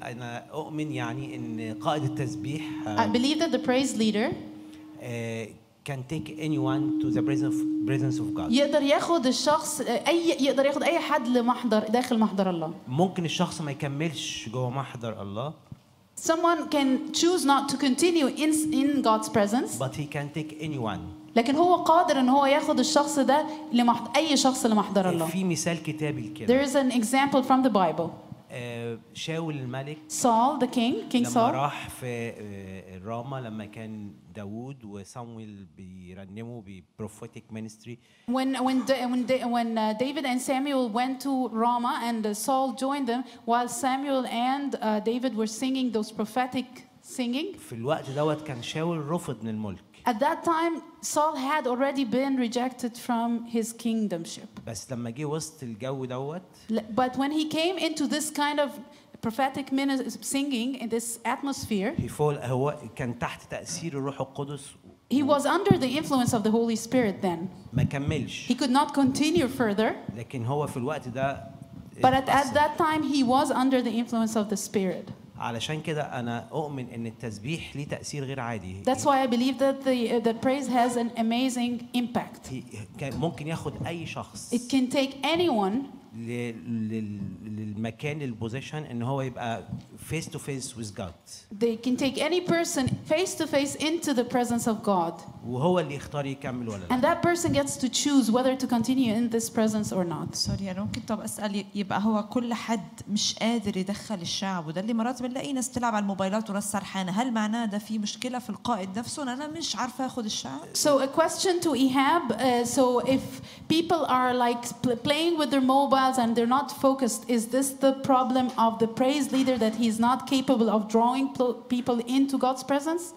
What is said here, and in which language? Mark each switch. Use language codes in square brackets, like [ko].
[ar] انا اؤمن يعني ان قائد التسبيح. [en] I believe that the praise leader. Can take anyone to the presence of God. [ar] يقدر ياخد الشخص اي يقدر ياخد اي حد لمحضر داخل محضر الله. ممكن الشخص ما يكملش جوه محضر الله. [en] Someone can choose not to continue in God's presence. But he can take anyone. [ar] لكن هو قادر ان هو ياخد الشخص ده لمحضر اي شخص لمحضر الله. في مثال كتابي كده. [en] There is an example from the Bible. [ar] شاول الملك. [en] Saul the king, King Saul. [ar] لما راح في روما لما كان داود وصامويل بيرنموا ب [en] prophetic ministry. When David and Samuel went to Rama and Saul joined them while Samuel and David were singing those prophetic singing. [ar] في الوقت دوت كان شاول رفض من الملك. [en] At that time, Saul had already been rejected from his kingdomship. [ar] بس لما جه وسط الجو دوت. [en] But when he came into this kind of prophetic singing in this atmosphere. [ar] هو كان تحت تأثير الروح القدس. [en] He was under the influence of the Holy Spirit then. [ar] ما كملش. [en] He could not continue further. [ar] لكن هو في الوقت ده. [en] But at that time, he was under the influence of the Spirit. [ar] علشان كده أنا أؤمن إن التسبيح ليه تأثير غير عادي. [en] That's why I believe that the praise has an amazing impact. [ar] ممكن ياخد أي شخص. [en] It can take anyone. [ar] للمكان البوزيشن إن هو يبقى [en] face to face with God. They can take any person face to face into the presence of God. [ar] وهو اللي يختار يكمل ولا لا. [en] And that person gets to choose whether to continue in this presence or not. [ar] Sorry, أنا ممكن طب أسأل يبقى هو كل حد مش قادر يدخل الشعب وده اللي مرات بنلاقي ناس تلعب على الموبايلات وناس سرحانة هل معناه ده في مشكلة في القائد نفسه أنا مش عارفة أخذ الشعب. [en] So a question to Ehab. So if people are like playing with their mobiles and they're not focused, is this the problem of the praise leader that he's not capable of drawing people into God's presence?